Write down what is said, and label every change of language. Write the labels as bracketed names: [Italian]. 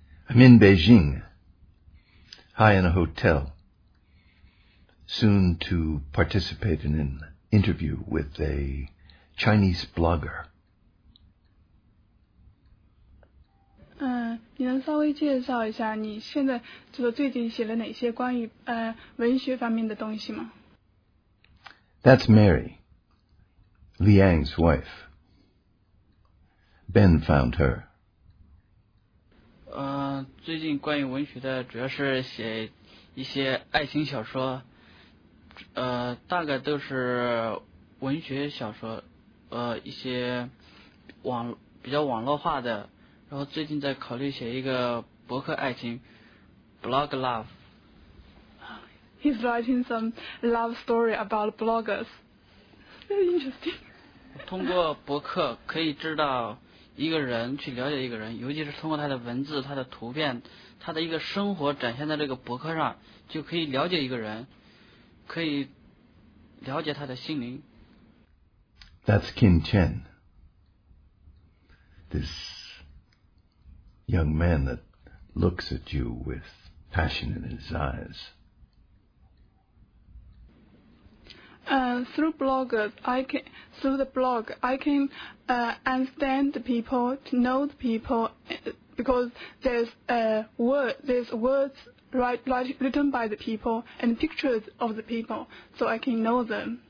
[English] I'm in Beijing, high in a hotel, soon to participate in an interview with a Chinese blogger. [Chinese] 你能稍微介绍一下你现在就是最近写了哪些关于文学方面的东西吗？ [English] That's Mary, Liang's wife. Ben found her. [Chinese] 最近关于文学的主要是写一些爱情小说，大概都是文学小说，一些比较网络化的，然后最近在考虑写一个博客爱情 blog love. [English] He's writing some love story about bloggers. Very interesting. [Chinese] 通过博客可以知道一个人，去了解一个人，尤其是通过他的文字、他的图片、他的一个生活展现在这个博客上，就可以了解一个人，可以了解他的心灵。 [English] That's Kin Chen. This young man that looks at you with passion in his eyes. Through the blog, I can, understand the people, to know the people, because there's words written by the people and pictures of the people, so I can know them.